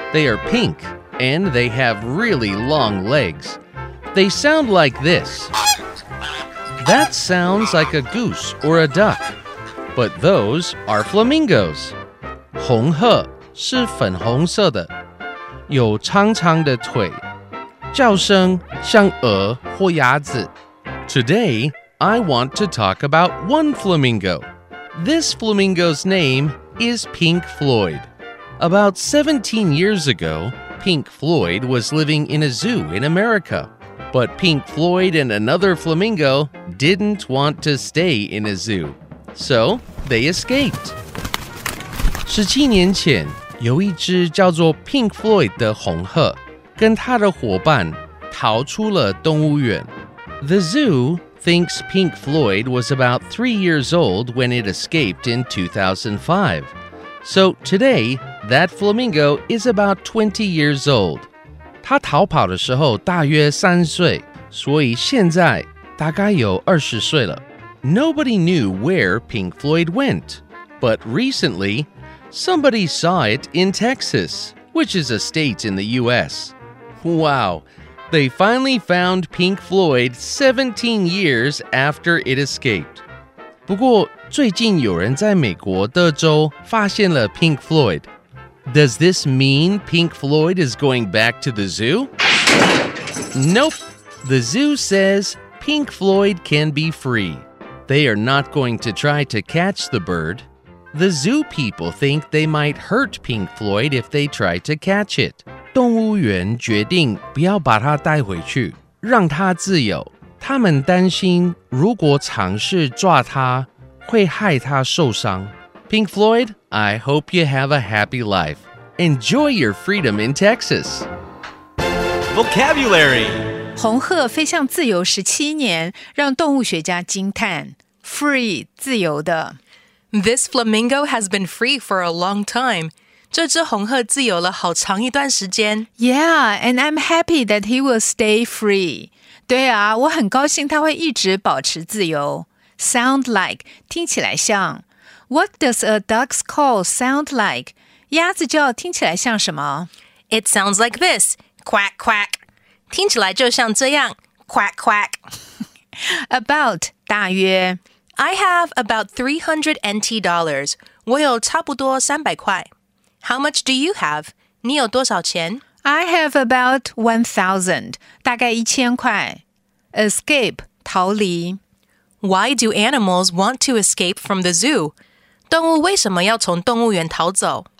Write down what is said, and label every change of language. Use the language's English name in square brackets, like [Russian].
[English] They are pink, and they have really long legs. They sound like this. That sounds like a goose or a duck. But those are flamingos. [Chinese] 红鹤是粉红色的，有长长的腿，叫声像鹅或鸭子。 [English] Today, I want to talk about one flamingo. This flamingo's name is Pink Floyd. About 17 years ago, Pink Floyd was living in a zoo in America. But Pink Floyd and another flamingo didn't want to stay in a zoo. So, they escaped. [Chinese] 17年前，有一只叫做 Pink Floyd 的红鹤，跟它的伙伴逃出了动物园。 [English] The zoo thinks Pink Floyd was about 3 years old when it escaped in 2005. So today, that flamingo is about 20 years old. [Chinese] 他逃跑的时候大约三岁，所以现在大概有二十岁了。 [English] Nobody knew where Pink Floyd went. But recently, somebody saw it in Texas, which is a state in the U.S. Wow! They finally found Pink Floyd 17 years after it escaped. [Chinese] 不过最近有人在美国德州发现了 Pink Floyd. [English] Does this mean Pink Floyd is going back to the zoo? Nope. The zoo says Pink Floyd can be free. They are not going to try to catch the bird. The zoo people think they might hurt Pink Floyd if they try to catch it. [Chinese] 动物园决定不要把它带回去，让它自由。他们担心如果尝试抓它，会害它受伤。 [English] Pink Floyd, I hope you have a happy life. Enjoy your freedom in Texas. Vocabulary. [Chinese] 红鹤飞向自由十七年，让动物学家惊叹。 Free, 自由的。 [English] This flamingo has been free for a long time. [Chinese] 这只红鹤自由了好长一段时间。 [English] Yeah, and I'm happy that he will stay free. [Chinese] 对啊，我很高兴他会一直保持自由。 [English] Sound like, [Chinese] 听起来像。 [English] What does a duck's call sound like? [Chinese] 鸭子叫听起来像什么？ [English] It sounds like this, quack, quack. [Chinese] 听起来就像这样, [English] quack, quack. [Chinese] About, 大约。 [English] I have about $300 NT, [Chinese] 我有差不多三百块。 [English] How much do you have? [Chinese] 你有多少钱? [English] I have about 1,000, [Chinese] 大概一千块。 Escape, 逃离。 [English] Why do animals want to escape from the zoo? [Chinese] 动物为什么要从动物园逃走?